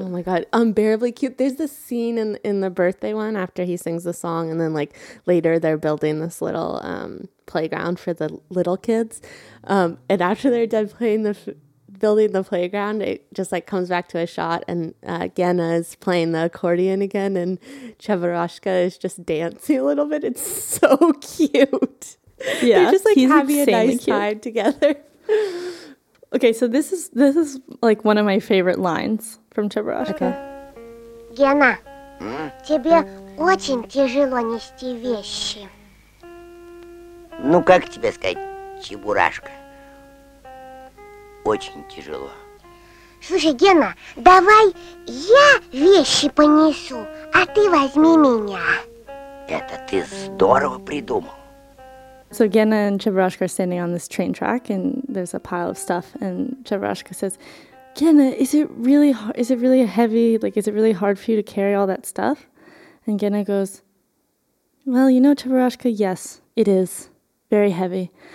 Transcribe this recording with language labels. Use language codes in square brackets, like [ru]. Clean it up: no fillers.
[en] Oh my God, unbearably cute. There's this scene in the birthday one after he sings the song, and then, like, later they're building this little playground for the little kids, and after they're done playing building the playground, it just, like, comes back to a shot, and Gena is playing the accordion again, and Chiburashka is just dancing a little bit. It's so cute. Yeah, they're just, like, he's having a nice time together. Okay, so this is like one of my favorite lines from Chiburashka. [ru] Gena, тебе очень тяжело нести вещи. Ну, как тебе сказать, Чебурашка? Очень тяжело. Слушай, Гена, давай я вещи понесу, а ты возьми меня. Это ты здорово придумал. [en] So Gena and Chiburashka are standing on this train track, and there's a pile of stuff, and Chiburashka says, Gena, is it really heavy, like, is it really hard for you to carry all that stuff? And Gena goes, well, you know, Chiburashka, yes, it is. Very heavy.